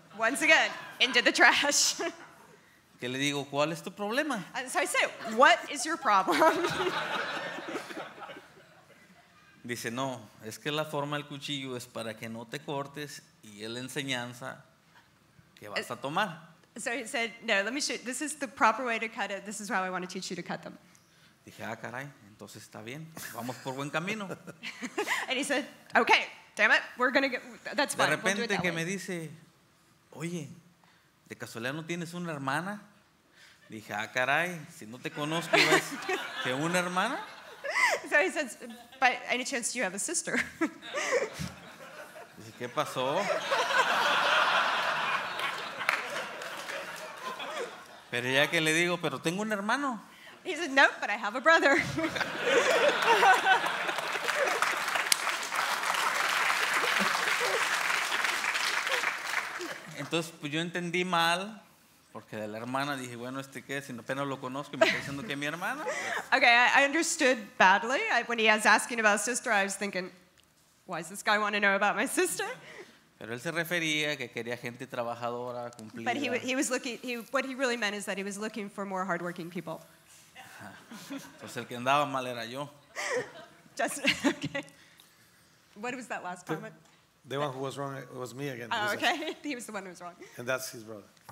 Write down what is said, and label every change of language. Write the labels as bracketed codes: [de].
[en] Once again, into the trash. [es] ¿Qué le digo? ¿Cuál es tu problema? [en] So I say, what is your problem? [es] Dice, no, es que la forma del cuchillo es para que no te cortes y es la enseñanza que vas a tomar. [en] So he said, no, let me show you. This is the proper way to cut it. This is how I want to teach you to cut them. [es] Dije, ah, caray, entonces está bien. Vamos por buen camino. [en] And he said, okay, damn it, we're going to get, that's fine. [es] De repente [en] we'll [es] que me dice, oye, ¿de casualidad no tienes una hermana? Dije, ah, caray, si no te conozco, ¿ves que una hermana? [en] So he says, by any chance, do you have a sister? [es] Dije, ¿qué pasó? Pero ya que le digo, pero tengo un hermano. [en] He said, no, but I have a brother. [es] Entonces, pues yo entendí mal, porque de la hermana dije, bueno, ¿este qué? Si apenas lo conozco, me está diciendo que es mi hermana. [en] Okay, I understood badly. When he was asking about sister, I was thinking, why does this guy want to know about my sister? [es] Pero él se refería que quería gente trabajadora, cumplida. [en] But he was looking, what he really meant is that he was looking for more hardworking people. [es] Pues el que andaba mal era yo. [en] Just, okay. What was that last comment? The one who was wrong, it was me again. Oh, okay. He was the one who was wrong. And that's his brother.